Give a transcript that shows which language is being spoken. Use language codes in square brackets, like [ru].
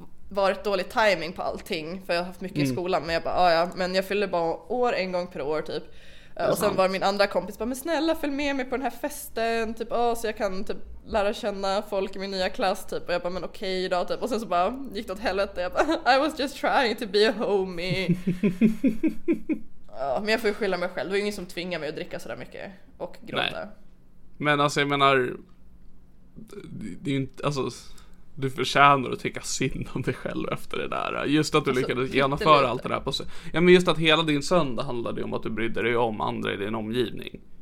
[sv] varit dålig timing på allting, för jag har haft mycket i skolan, men jag bara, ja, men jag fyller bara år en gång per år typ. Och sen var min andra kompis bara, men snälla följ med mig på den här festen typ, så jag kan typ lära känna folk i min nya klass typ. Och jag bara, men okej då typ. Och sen så bara gick det åt helvete. Jag bara, [en] I was just trying to be a homie. [sv] Ja, men jag får ju skylla mig själv. Det var ju ingen som tvingade mig att dricka så där mycket och gråta. Nej. Men alltså jag menar, det är ju inte, alltså, du förtjänar att tycka synd om dig själv efter det där. Just att du alltså, lyckades genomföra lite. Allt det där på sig. Ja, men just att hela din söndag handlade om att du brydde dig om andra i din omgivning.